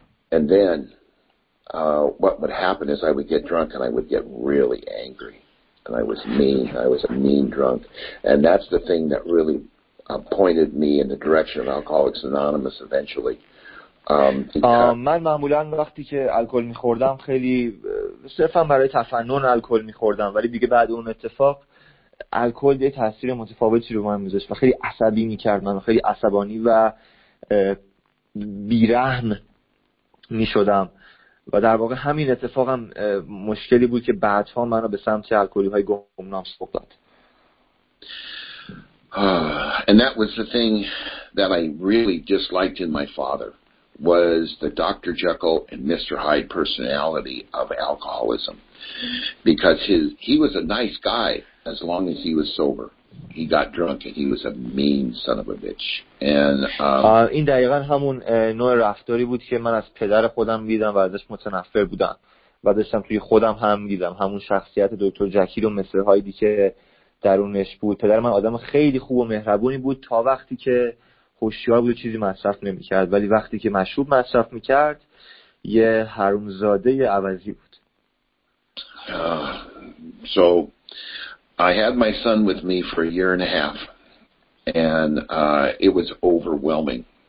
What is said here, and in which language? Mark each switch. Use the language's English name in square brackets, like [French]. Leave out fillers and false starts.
[English] And then what would happen is I would get drunk and I would get really angry. And I was mean. I was a mean drunk. And that's the thing that really pointed me in the direction of Alcoholics Anonymous eventually. [Persian] من معمولا وقتی که الکل می‌خوردم خیلی صرفا برای تفنن الکل می‌خوردم، ولی دیگه بعد اون اتفاق الکل یه تاثیر متفاوتی رو من می‌ذاشت و خیلی عصبی می‌کرد من، خیلی عصبانی و بی‌رحم می‌شدم و در واقع همین اتفاقم مشکلی بود که بعدها منو به سمت الکلی‌های گمنام سوق داد. [English] And that was the thing that I really disliked in my father was the Dr. Jekyll and Mr. Hyde personality of alcoholism, because he was a nice guy as long as he was sober. He got drunk and he was a mean son of a bitch. And [Persian] این دقیقاً همون نوع رفتاری بود که من از پدر خودم دیدم و ازش متنفر بودم و داشتم توی خودم هم دیدم، همون شخصیت دکتر جکیل و مستر هایدی که درونش بود. پدر من آدم خیلی خوب و مهربونی بود تا وقتی که هوشیار بود و چیزی مصرف نمی‌کرد، ولی وقتی که مشروب مصرف می‌کرد یه حرومزاده عوضی بود. [English] So I had my son with me for a year and a half and it was overwhelming.